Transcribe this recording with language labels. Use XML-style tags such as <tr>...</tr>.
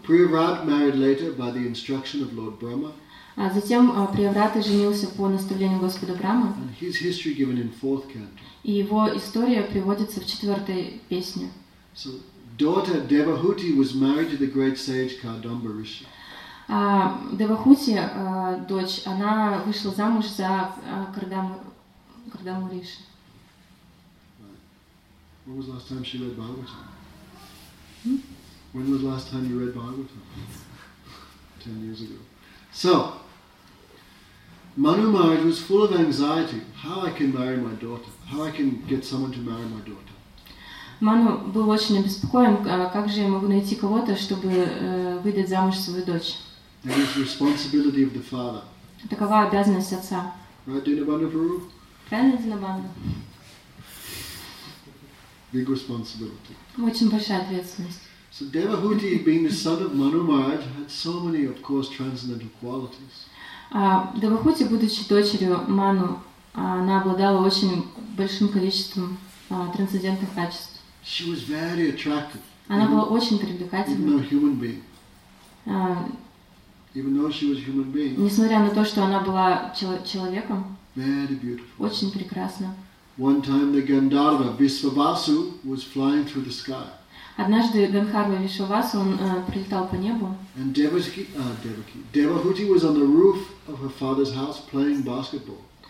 <en>Priyavrat married later by the instruction of Lord Brahma.</en> <ru>А затем Priyavrat женился по наставлению Господа Брама.</ru> <en>And his history given in fourth canto.</en> <ru>И его история приводится в четвертой песне.</ru> <en>So, daughter Devahuti was married to the great sage Kardamba Rishi.</en> <ru>Девахути, дочь, она вышла замуж за Кардаму Риши.</ru> <en>When was the last time she read Bhagavatam? When was the last time you read Bhagavatam? 10 years ago. So, Manu Maharaj was full of anxiety. How I can marry my daughter? How I can get someone to marry my daughter?</en> <ru>Manu был очень обеспокоен, как же я могу найти кого-то, чтобы выдать замуж свою дочь?</ru> <en>That is responsibility of the father.</en> <ru>Такова обязанность отца.</ru> <en>Right, Dinabandhu Prabhu?</en> <ru>Правильно, Dinabandhu?</ru> <en>Big responsibility.</en> <ru>Очень большая ответственность.</ru> <en>So Devahuti, being the son of Manu Maharaj, had so many, of course, transcendental qualities.</en> <ru>Devahuti, будучи дочерью Ману, она обладала очень большим количеством трансцендентных качеств.</ru> <en>She was very attractive.</en> <ru>Она была очень привлекательна.</ru> <en>Even though human being. Even though she was human being.</en> <ru>Несмотря на то, что она была человеком.</ru> <en>Very beautiful.</en> <ru>Очень прекрасна.</ru> <en>One time the Gandharva Vishvavasu was flying through the sky.</en> <ru>Однажды Гандхарва Вишвавасу он прилетал по небу.</ru> <en>And Devahuti was on the roof of her father's house playing basketball.</en>